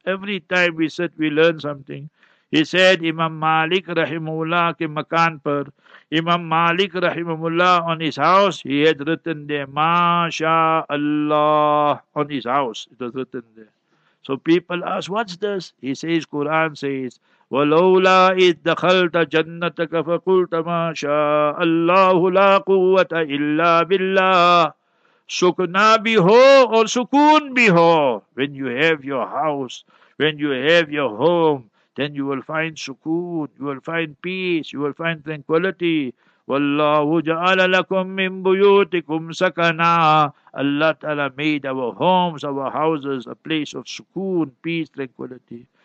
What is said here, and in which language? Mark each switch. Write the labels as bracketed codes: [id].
[en] Every time we sit, we learn something. He said, Imam Malik Rahimullah [ur] ke makan par, [en] Imam Malik Rahimullah on his house, he had written there, Masha Allah, on his house, it was written there. So people ask, what's this? He says, Quran says, [ar] وَلَوْلَا إِذْ دَخَلْتَ جَنَّتَكَ فَقُلْتَ مَا شَاءَ اللَّهُ لَا قُوَّةَ إِلَّا بِاللَّهِ. Sukuna biho or sukun biho. [en] When you have your house, when you have your home, then you will find sukun, you will find peace, you will find tranquility. [ar] وَاللَّهُ جَعَلَ لَكُم مِّن بُيُوتِكُمْ سَكَنَا. [en] Allah Ta'ala made our homes, our houses, a place of sukun, peace, tranquility.